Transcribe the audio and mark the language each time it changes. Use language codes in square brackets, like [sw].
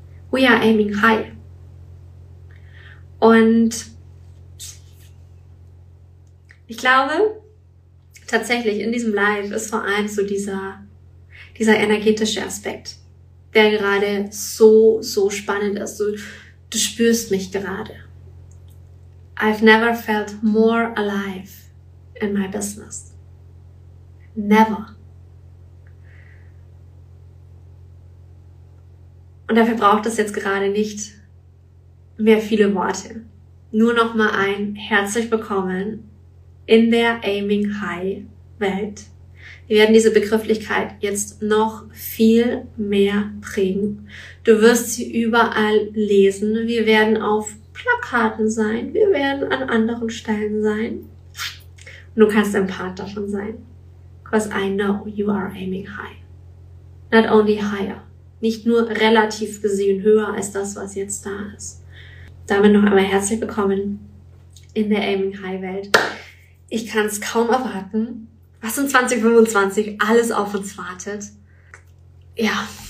[en] We are aiming high. [de] Und ich glaube, tatsächlich in diesem Live ist vor allem so dieser energetische Aspekt, der gerade so, so spannend ist. Du spürst mich gerade. [en] I've never felt more alive in my business. Never. [de] Und dafür braucht es jetzt gerade nicht mehr viele Worte. Nur noch mal ein herzlich willkommen in der Aiming High Welt. Wir werden diese Begrifflichkeit jetzt noch viel mehr prägen. Du wirst sie überall lesen. Wir werden auf Plakaten sein. Wir werden an anderen Stellen sein. Und du kannst ein Part davon sein. [en] Because I know you are aiming high. Not only higher. [de] Nicht nur relativ gesehen höher als das, was jetzt da ist. Damit noch einmal herzlich willkommen in der Aiming High Welt. Ich kann es kaum erwarten, was in 2025 alles auf uns wartet. Ja.